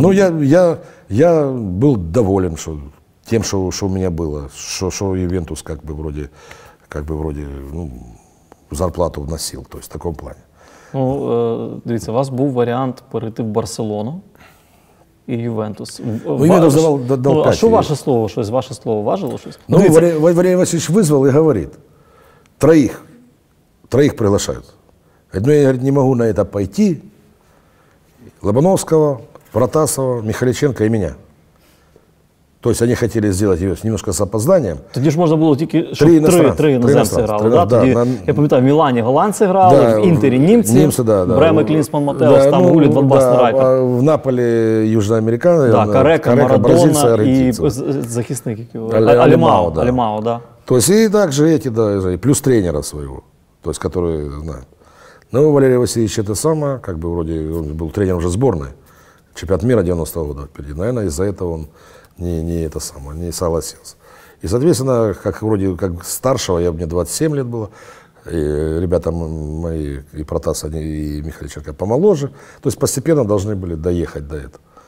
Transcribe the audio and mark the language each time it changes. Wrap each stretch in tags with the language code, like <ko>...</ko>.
<ru>Ну, я был доволен тем, что у меня было, что Ювентус как бы вроде, ну, зарплату вносил, то есть, в таком плане.</ru> <uk>Ну, дивіться, у вас був варіант перейти в Барселону. І Ювентус. Ну, Ювентус дав 5. А що ваше слово? Щось? Ваше слово важило щось? Ну, Валерій Васильович визвав і говорить. Троїх приглашають. Одну я, говорить, не можу на це пойти. Лобановського, Протасова, Михаличенка і мене. Тобто вони хотіли зробити його немножко з опозданням. Тоді ж можна було тільки, щоб три іноземці грали. Я пам'ятаю, в Мілані голландці грали, да, в Інтері німці, да, Бреме, Клінсман, Матеос, да, там, ну, Гулі, Ван Бастен, да, Райкер. В Наполі южноамериканці, да, Карека, Марадона і захисник, Алімао. Алімао, да.</uk> <ru>Тобто і так же, эти, да, плюс тренера свого, то есть, который знает. Ну, Валерій Васильович, это самое, как бы вроде, он был тренером уже сборной. Чемпионат мира 90-го года впереди. Наверное, из-за этого он не это самое, не согласился. И, соответственно, как вроде как старшего, я мне 27 лет было, и ребята мои, и Протас, они, и Михаил Черков помоложе, то есть постепенно должны были доехать до этого.</ru>